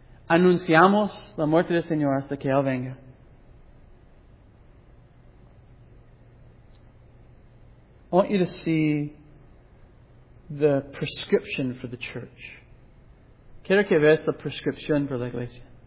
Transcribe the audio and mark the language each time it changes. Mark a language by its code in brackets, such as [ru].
[es] Anunciamos la muerte del Señor hasta que Él venga. [en] I want you to see the prescription for the church. [es] Quiero que veas la prescripción para la iglesia.